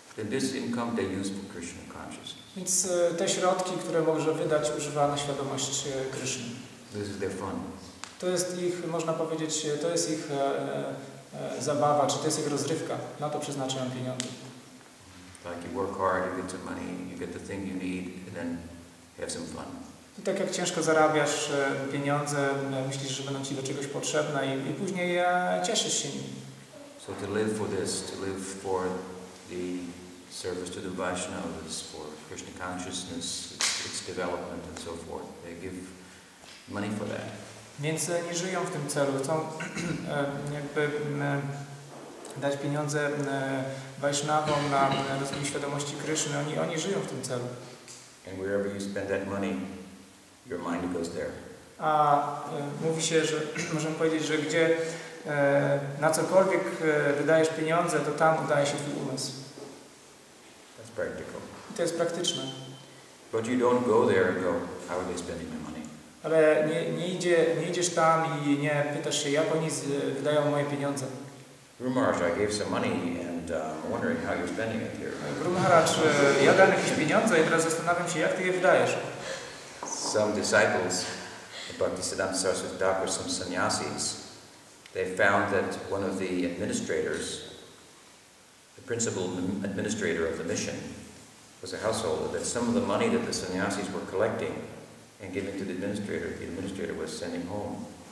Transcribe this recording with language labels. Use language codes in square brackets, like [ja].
[en] this income they use for Krishna consciousness. [pl] Więc te środki, które może wydać, używa na świadomość Krishny. [en] This is their fun. [pl] To jest ich, można powiedzieć, to jest ich zabawa, czy to jest ich rozrywka. Na to przeznaczają pieniądze. [en] Like you work hard, you get some money, you get the thing you need, and then have some fun. [pl] I tak jak ciężko zarabiasz pieniądze, myślisz, że będą ci do czegoś potrzebne, i później cieszysz się nimi. [en] So to live for this, to live for the service to the Vaishnavas, for Krishna consciousness, its development, and so forth. They give money for that. [pl] Więc nie żyją w tym celu. Chcą jakby dać pieniądze Vaishnavom na rozwój świadomości Krishna. Oni żyją w tym celu. [en] And wherever you spend that money, your mind goes there. [pl] A mówi się, że możemy powiedzieć, że gdzie na cokolwiek wydajesz pieniądze, to tam udaje się twój umysł. [en] That's practical. [pl] To jest praktyczne. [en] But you don't go there and go, how are they spending my money? [pl] Ale nie idziesz tam i nie pytasz się, jak oni wydają moje pieniądze. [en] Brumaraj, I gave some money and I'm wondering how you're spending it here. [pl] Brumaraj, ja dałem jakieś pieniądze i teraz zastanawiam się, jak ty je wydajesz. [en] Some disciples, Bhaktisiddhanta Saraswati Thakur, some sannyasis, they found that one of the administrators, the principal administrator of the mission, was a householder, that some of the money that the sannyasis were collecting and giving to the administrator was sending home